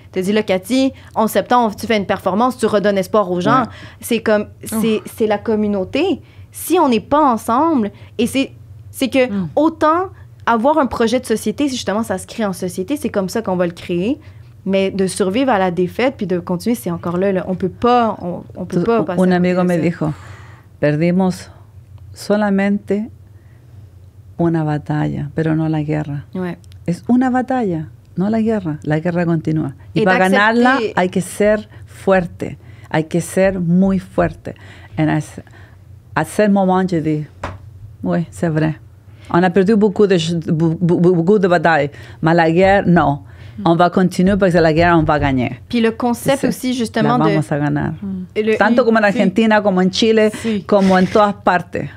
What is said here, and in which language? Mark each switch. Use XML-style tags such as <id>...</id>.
<fr>Tu as dit, là, Cathy, 11 septembre, tu fais une performance, tu redonnes espoir aux gens. Ouais. C'est comme, c'est la communauté. Si on n'est pas ensemble, et c'est que autant. Avoir un projet de société, justement, ça se crée en société. C'est comme ça qu'on va le créer. Mais de survivre à la défaite puis de continuer, c'est encore là. Là. On peut pas passer.</fr> <es>Un amigo me dijo, perdimos solamente una batalla, pero no la guerra.</es> <fr>Ouais.</fr> <es>Es una batalla, no la guerra. La guerra continúa. Y para ganarla hay que ser fuerte. Hay que ser muy fuerte.</es> <fr>Et à ce moment, je dis, oui, c'est vrai. On a perdu beaucoup de batailles, mais la guerre, non. Mm. On va continuer parce que la guerre, on va gagner. Puis le concept c'est aussi, justement, de...</fr> <es>Vamos a ganar. Tanto</es> <fr>comme en Argentine, comme en Chile, comme en toutes parties.</fr>